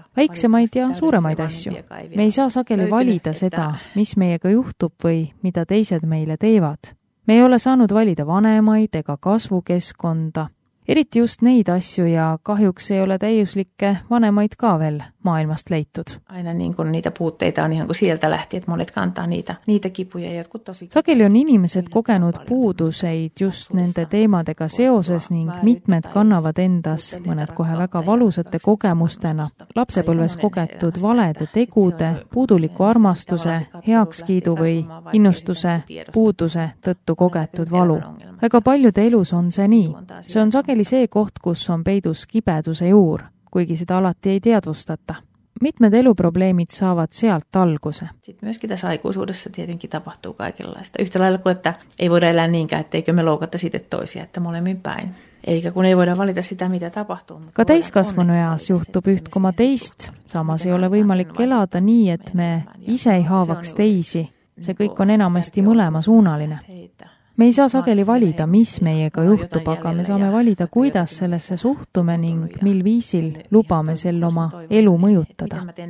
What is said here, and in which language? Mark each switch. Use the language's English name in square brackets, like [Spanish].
[Estonian] Väiksemaid ja suuremaid asju. Me ei saa sageli valida seda, mis meiega juhtub või mida teised meile teevad. Me ei ole saanud valida vanemaid ega kasvukeskkonda. Eriti just neid asju ja kahjuks ei ole täiuslikke vanemaid ka veel maailmast leitud. [Finnish] Aina niin kuin niitä puutteita on ihan kuin sieltä lähti, et monet kantaa niitä kipuja. [Estonian] Sageli on inimesed kogenud puuduseid just nende teemadega seoses ning mitmed kannavad endas mõned kohe väga valusate kogemustena, lapsepõlves kogetud valede tegude, puuduliku armastuse, heakskiidu või innustuse, puuduse tõttu kogetud valu. Väga paljude elus on see nii. See on sageli see koht, kus on peidus kibeduse juur, kuigi seda alati ei teadvustata. Mitmed eluprobleemid saavad sealt alguse. [Finnish] Sitten myöskin tässä aikuisuudessa tietenkin tapahtuu kaikenlaista. Yhtä lailla kuin, että ei voida elää niinkään, etteikö me loukata sitten toisia, että molemmin päin. Eikä kun ei voida valita sitä, mitä tapahtuu. [Estonian] Ka täiskasvanueas juhtub yhtkoma teist. Samas ei ole võimalik elada nii, et me ise ei haavaks teisi. See kõik on enamasti mõlema suunaline. Me ei saa sageli valida, mis meiega juhtub, aga me saame valida, kuidas sellesse suhtume ning mil viisil lubame sel oma elu mõjutada.